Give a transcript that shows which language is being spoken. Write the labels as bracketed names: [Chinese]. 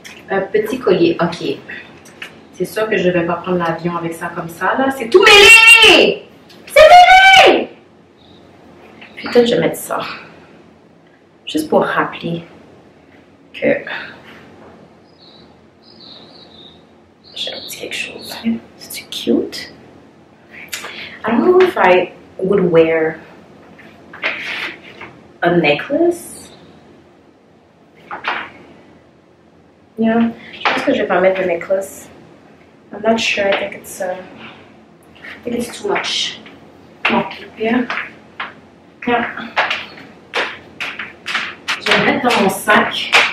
[French] Un petit collier, ok. C'est sûr que je ne vais pas prendre l'avion avec ça comme ça, là. C'est tout mêlé! C'est mêlé! Peut-être que je vais mettre ça. Juste pour rappeler que j'ai un petit quelque chose. C'est cute. [English] I don't know if I would wear a necklace. [French] Yeah, je pense que je vais pas mettre de necklace. [English] I'm not sure. I think it's too much. Yeah. [French] Je vais mettre dans mon sac.